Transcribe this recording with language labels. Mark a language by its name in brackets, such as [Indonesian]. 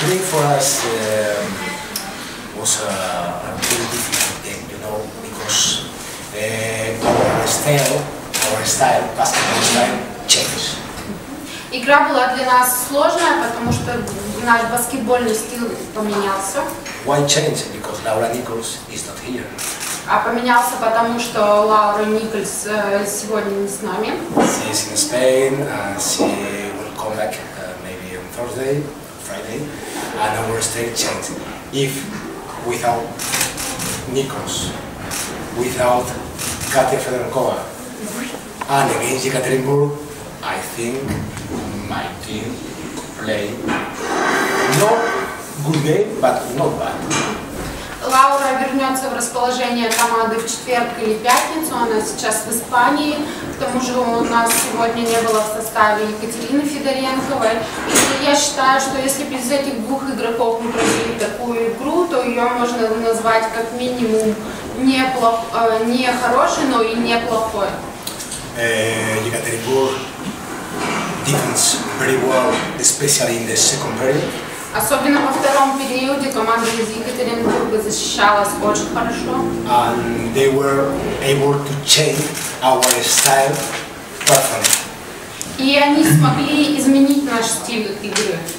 [English] For us was a really difficult game, you know, because our style, basketball style changed. [Russian] Игра была для нас сложная, потому что наш баскетбольный стиль поменялся. [English] Why change? Because Laura Nichols is not here. [Russian] А поменялся потому что Лаура Никольс сегодня не с нами. [English] She is in Spain and she will come back maybe on Thursday. Friday, and our state change. If without Nikos, without Katia Fedorkova, and against Yekaterinburg, I think my team play no good game, but not bad. [Russian] Лаура вернется в расположение команды в четверг или пятницу, она сейчас в Испании. К тому же у нас сегодня не было в составе Екатерины Федоренковой. И я считаю, что если без этих двух игроков мы провели такую игру, то ее можно назвать как минимум не хорошей, но и неплохой. [English] Екатеринбург defense very well, especially in the second period. [Russian] Особенно во втором периоде команда из Екатеринбурга защищалась очень хорошо. [English] And they were able to change our style perfectly. [Russian] И они смогли изменить наш стиль игры.